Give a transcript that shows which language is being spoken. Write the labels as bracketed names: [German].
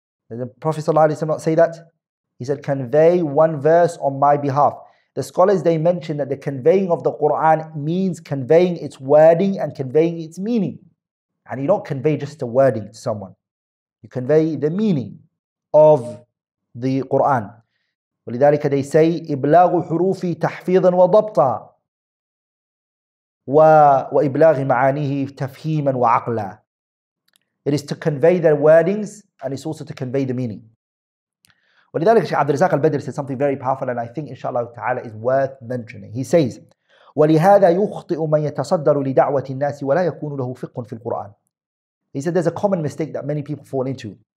[English] Did the Prophet sallallahu alaihi wasallam not say that? He said, convey one verse on my behalf. The scholars, they mentioned that the conveying of the Qur'an means conveying its wording and conveying its meaning. And you don't convey just the wording to someone. You convey the meaning of the Qur'an. [Arabic] ولذلك [English] they say, [Arabic] إبلاغ حروفي تحفيظا وضبطا وإبلاغ معانيه تفهيما وعقلا. [English] It is to convey the wordings and it's also to convey the meaning. ولذلك شيخ عبد الرزاق البدر said something very powerful and I think inshallah ta'ala is worth mentioning. He says, [Arabic] وَلِهَذَا يُخْطِئُ مَنْ يَتَصَدَّرُ لِدَعْوَةِ النَّاسِ وَلَا يَكُونُ لَهُ فِقٌّ فِي الْقُرْآنِ. [English] He said there's a common mistake that many people fall into.